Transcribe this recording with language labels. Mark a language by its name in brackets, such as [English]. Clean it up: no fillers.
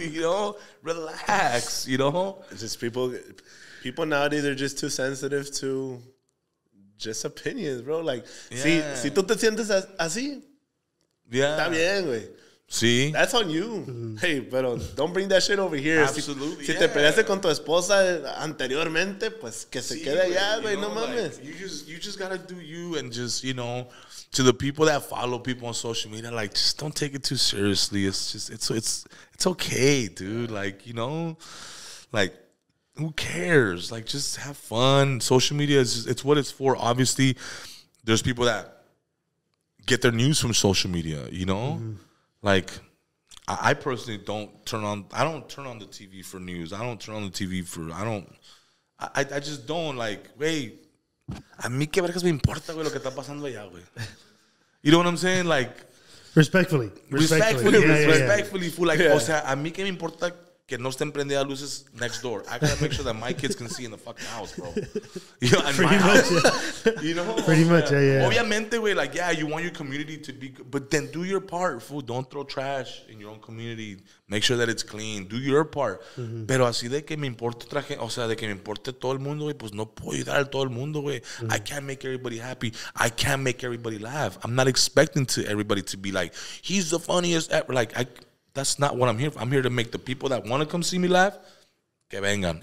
[English] You know? Relax, you know? It's just people nowadays are just too sensitive to just opinions, bro. [Spanish] Like, yeah. Si tú te sientes así, [English] yeah. [Spanish] Está bien, güey. [English] See? That's on you. Mm-hmm. Hey, but don't bring that shit over here. Absolutely. [Spanish] Si te peleaste con tu esposa anteriormente, pues que se quede allá, güey, no mames. [English] Like, you just gotta do you and just, you know, to the people that follow people on social media, like, just don't take it too seriously. It's just, it's okay, dude. Like, you know, like, who cares? Like, just have fun. Social media is just, it's what it's for. Obviously, there's people that get their news from social media, you know? Mm-hmm. Like, I personally don't turn on, I don't turn on the TV for news. I don't turn on the TV for, I just don't, like, wait. [Spanish] A mí qué vergas me importa, güey, lo que está pasando allá, güey. [English] You know what I'm saying? Like. Respectfully. [Spanish] O sea, a mí qué me importa que no estén prendidas luces [English] next door. I gotta make sure that my kids can see in the fucking house, bro. You know, pretty much, house. Yeah. You know? Pretty much, yeah. [Spanish] Obviamente, güey, [English] like, yeah, you want your community to be good, but then do your part, fool. Don't throw trash in your own community. Make sure that it's clean. Do your part. Mm-hmm. [Spanish] Pero así de que me importe traje, o sea, de que me importe todo el mundo, güey, pues no puedo ayudar a todo el mundo, güey. [English] Mm-hmm. I can't make everybody happy. I can't make everybody laugh. I'm not expecting to everybody to be like, he's the funniest ever. Like, that's not what I'm here for. I'm here to make the people that want to come see me laugh, [Spanish] que vengan.